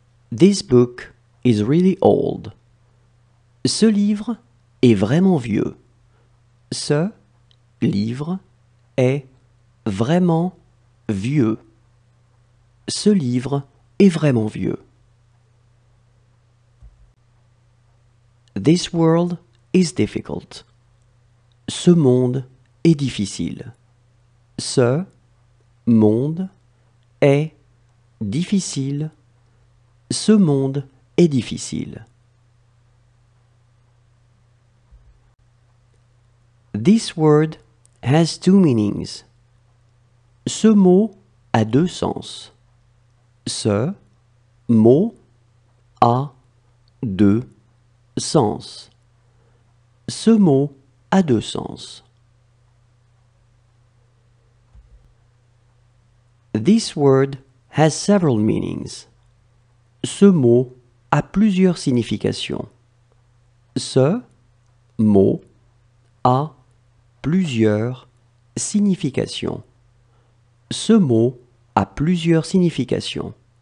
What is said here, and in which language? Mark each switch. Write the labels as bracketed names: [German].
[English] This book is really old. [French] Ce livre est vraiment vieux. Ce livre est vraiment vieux. Ce livre est vraiment vieux. [English] This world is difficult. [French] Ce monde est difficile. Ce monde est difficile. Ce monde est difficile. [English] This word has two meanings. [French] Ce mot a deux sens. Ce mot a deux sens. Ce mot a deux sens. [English] This word has several meanings. [French] Ce mot a plusieurs significations. Ce mot a plusieurs significations. Ce mot a plusieurs significations.